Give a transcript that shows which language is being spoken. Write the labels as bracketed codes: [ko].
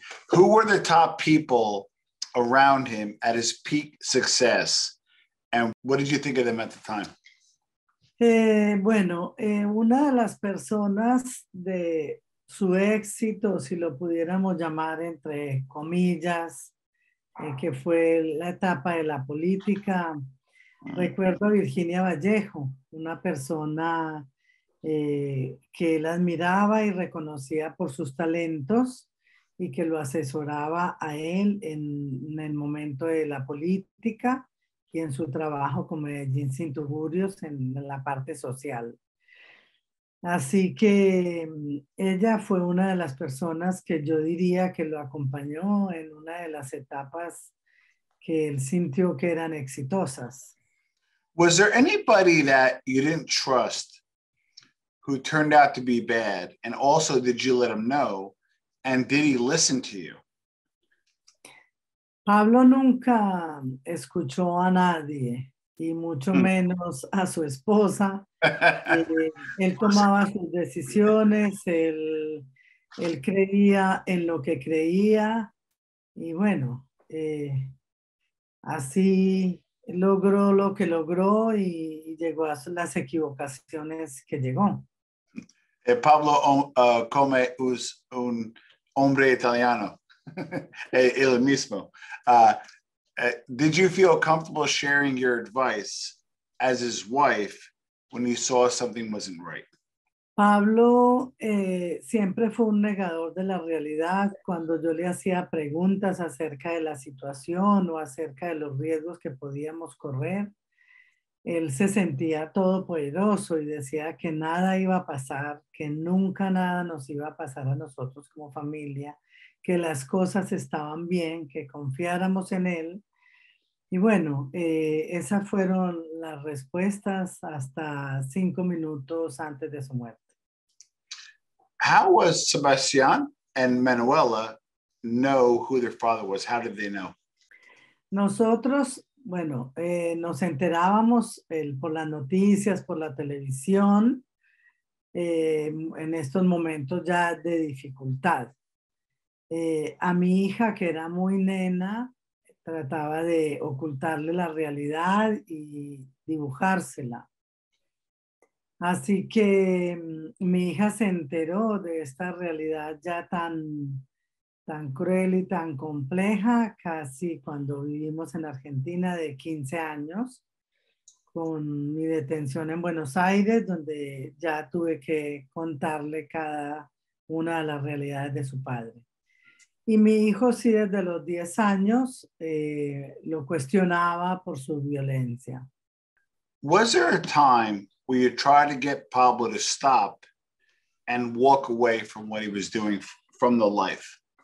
[en] Who were the top people around him at his peak success? And what did you think of them at the time? [es] Una de las personas de su éxito, si lo pudiéramos llamar entre comillas, que fue la etapa de la política. Recuerdo a Virginia Vallejo, una persona que él admiraba y reconocía por sus talentos y que lo asesoraba a él en el momento de la política y en su trabajo con Medellín Sin Tugurios en la parte social. Así que ella fue una de las personas que yo diría que lo acompañó en una de las etapas que él sintió que eran exitosas. [en] Was there anybody that you didn't trust who turned out to be bad? And also, did you let him know? And did he listen to you? [es] Pablo nunca escuchó a nadie, y mucho menos a su esposa. Él tomaba sus decisiones, él creía en lo que creía, y bueno, así logró lo que logró y llegó a las equivocaciones que llegó. Pablo come un hombre italiano, el mismo. [en] Did you feel comfortable sharing your advice as his wife when you saw something wasn't right? [es] Pablo siempre fue un negador de la realidad. Cuando yo le hacía preguntas acerca de la situación o acerca de los riesgos que podíamos correr, él se sentía todopoderoso y decía que nada iba a pasar, que nunca nada nos iba a pasar a nosotros como familia, que las cosas estaban bien, que confiáramos en él. Y bueno, esas fueron las respuestas hasta 5 minutos antes de su muerte. [en] How was Sebastián and Manuela know who their father was? How did they know? [es] Nosotros, bueno, nos enterábamos por las noticias, por la televisión, en estos momentos ya de dificultad. A mi hija, que era muy nena, trataba de ocultarle la realidad y dibujársela. Así que mi hija se enteró de esta realidad ya tan, tan cruel y tan compleja, casi cuando vivimos en Argentina, de 15 años, con mi detención en Buenos Aires, donde ya tuve que contarle cada una de las realidades de su padre. Y mi hijo sí, desde los 10 años, lo cuestionaba por su violencia. [en] Was there a time where you tried to get Pablo to stop and walk away from what he was doing, from the life?